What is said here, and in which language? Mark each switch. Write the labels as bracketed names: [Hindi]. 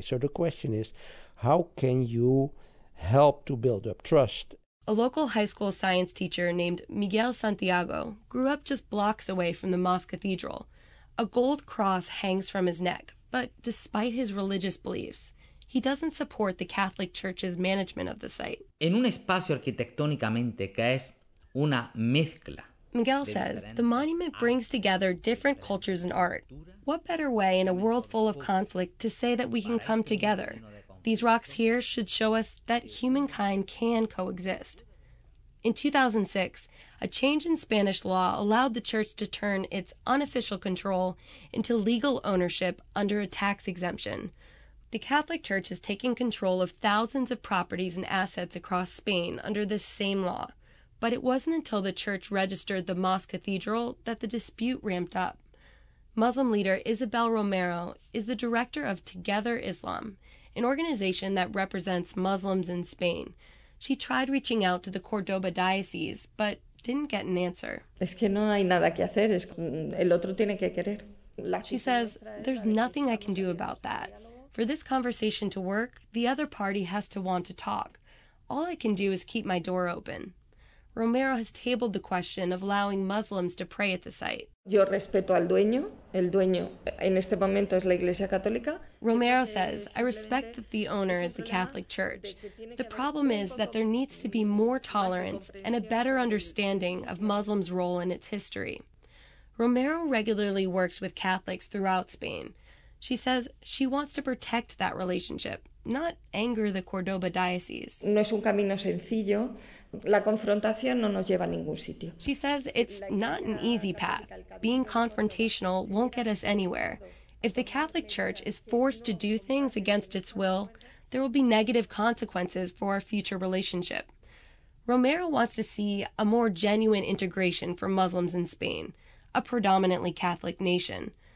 [English] So the question is, how can you help to build up trust? A local high school science teacher named Miguel Santiago grew up just blocks away from the mosque cathedral. A gold cross hangs from his neck, but despite his religious beliefs, he doesn't support the Catholic Church's management of the site. [Spanish] En un espacio arquitectónicamente que es una mezcla. [English] Miguel says the monument brings together different cultures and art. What better way in a world full of conflict to say that we can come together? These rocks here should show us that humankind can coexist. In 2006, a change in Spanish law allowed the church to turn its unofficial control into legal ownership under a tax exemption. The Catholic Church is taking control of thousands of properties and assets across Spain under this same law. But it wasn't until the church registered the mosque cathedral that the dispute ramped up. Muslim leader Isabel Romero is the director of Together Islam, an organization that represents Muslims in Spain. She tried reaching out to the Cordoba diocese, but didn't get an answer. [Spanish] Es que no hay nada que hacer. Es que el otro tiene que querer. [English] She says, there's nothing I can do about that. For this conversation to work, the other party has to want to talk. All I can do is keep my door open. Romero has tabled the question of allowing Muslims to pray at the site. [Spanish] Yo respeto al dueño. El dueño en este momento es la Iglesia Católica. [English] Romero says, I respect that the owner is the Catholic Church. The problem is that there needs to be more tolerance and a better understanding of Muslims' role in its history. Romero regularly works with Catholics throughout Spain. She says she wants to protect that relationship, not anger the Cordoba diocese. [Spanish] No es un camino sencillo. La confrontación no nos lleva a ningún sitio. [English] She says it's not an easy path. Being confrontational won't get us anywhere. If the Catholic Church is forced to do things against its will, there will be negative consequences for our future relationship. Romero wants to see a more genuine integration for Muslims in Spain, a predominantly Catholic nation.